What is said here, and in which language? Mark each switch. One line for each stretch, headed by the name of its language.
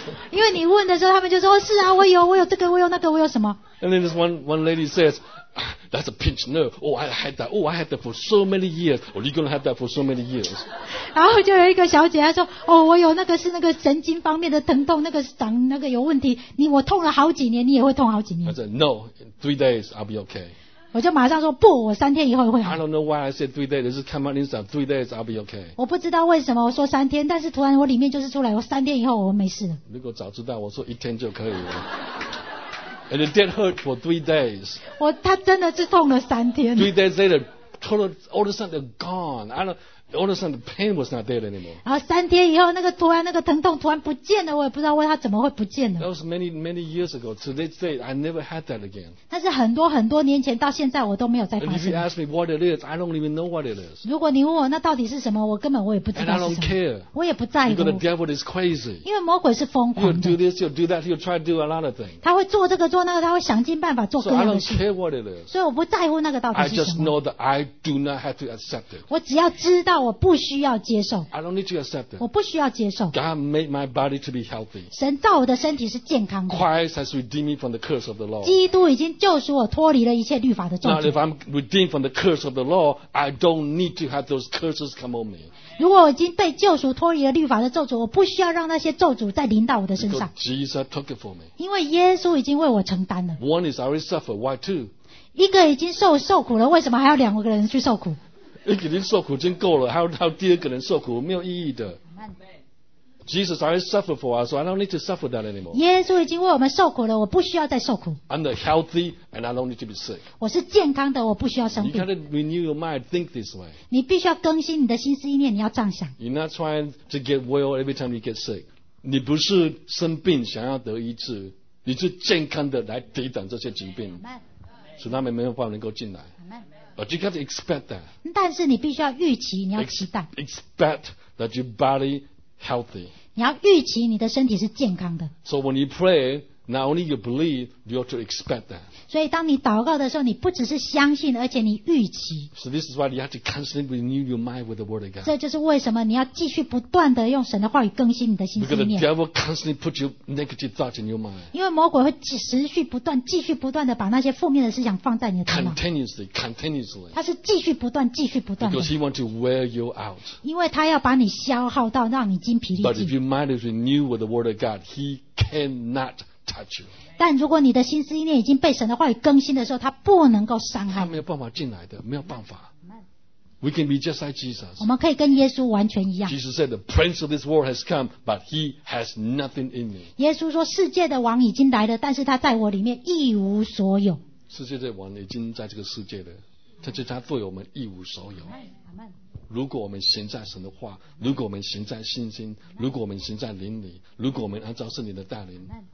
Chinese: 因为你问的时候，他们就说，哦，是啊，我有，我有这个，我有那个，我有什么？
English: And then this one lady says, that's a pinched nerve. Oh, I had that. Oh, I had that for so many years. Oh, you're gonna have that for so many years.
Chinese: 然后就有一个小姐，她说，哦，我有那个是那个神经方面的疼痛，那个长那个有问题。你我痛了好几年，你也会痛好几年。
English: I said, no. In 3 days, I'll be okay.
Chinese: 我就马上说不，我三天以后会好。
English: I don't know why I said 3 days. This is come out inside. 3 days, I'll be okay.
Chinese: 我不知道为什么我说三天，但是突然我里面就是出来，我三天以后我没事了。如果早知道我说一天就可以了。
English: And it did hurt for 3 days.
Chinese: 我他真的是痛了三天。 3 days later, total, all of a sudden gone. All of a sudden the pain was not there anymore. 然后三天以后，那个突然那个疼痛突然不见了，我也不知道为他怎么会不见了。
English: That was many many years ago. To this day, I never had that again.
Chinese: 但是很多很多年前到现在，我都没有再发生。
English: If you ask me what it is, I don't even know what it is.
Chinese: 如果你问我那到底是什么，我根本我也不知道是什么。
English: And I don't care.
Chinese: 我也不在乎。
English: Because the devil is crazy.
Chinese: 因为魔鬼是疯狂的。
English: He'll do this, he'll do that, he'll try to do a lot of things.
Chinese: 他会做这个做那个，他会想尽办法做各样的事。
English: So I don't care what it is.
Chinese: 所以我不在乎那个到底是什么。
English: I just know that I do not have to accept it.
Chinese: 我只要知道。我不需要接受。
English: I don't need to accept it.
Chinese: 我不需要接受。
English: God made my body to be healthy.
Chinese: 神造我的身体是健康的。
English: Christ has redeemed me from the curse of the law.
Chinese: 基督已经救赎我，脱离了一切律法的咒诅。
English: Now if I'm redeemed from the curse of the law, I don't need to have those curses come on me.
Chinese: 如果我已经被救赎，脱离了律法的咒诅，我不需要让那些咒诅再临到我的身上。
English: Jesus took it for me.
Chinese: 因为耶稣已经为我承担了。
English: One is already suffered. Why two?
Chinese: 一个已经受苦了，为什么还要两个人去受苦？一个人受苦已经够了，还有第二个人受苦，没有意义的。
English: Jesus already suffered for us, so I don't need to suffer that anymore.
Chinese: 耶稣已经为我们受苦了，我不需要再受苦。
English: I'm the healthy, and I don't need to be sick.
Chinese: 我是健康的，我不需要生病。
English: You gotta renew your mind, think this way.
Chinese: 你必须要更新你的心思意念，你要这样想。
English: You're not trying to get well every time you get sick.
Chinese: 你不是生病想要得医治，你是健康的来抵挡这些疾病，使他们没有办法能够进来。
English: But you have to expect that.
Chinese: 但是你必须要预期，你要期待。
English: Expect that your body healthy.
Chinese: 你要预期你的身体是健康的。
English: So when you pray, not only you believe, you have to expect that.
Chinese: 所以当你祷告的时候，你不只是相信，而且你预期。
English: So this is why you have to constantly renew your mind with the word of God.
Chinese: 这就是为什么你要继续不断的用神的话语更新你的心思意念。
English: Because the devil constantly put your negative thoughts in your mind.
Chinese: 因为魔鬼会持续不断、继续不断的把那些负面的思想放在你的头脑。
English: Continuously.
Chinese: 他是继续不断、继续不断的。
English: Because he wants to wear you out.
Chinese: 因为他要把你消耗到让你精疲力尽。
English: But if your mind is renewed with the word of God, he cannot.
Chinese: 但如果你的心思意念已经被神的话语更新的时候，他不能够伤害你。他没有办法进来的，没有办法。
English: We can be just like Jesus.
Chinese: 我们可以跟耶稣完全一样。
English: Jesus said, "The prince of this world has come, but he has nothing in me."
Chinese: 耶稣说，世界的王已经来了，但是他在我里面一无所有。世界的王已经在这个世界了，但是他对我们一无所有。如果我们行在神的话，如果我们行在信心，如果我们行在灵里，如果我们按照圣灵的带领。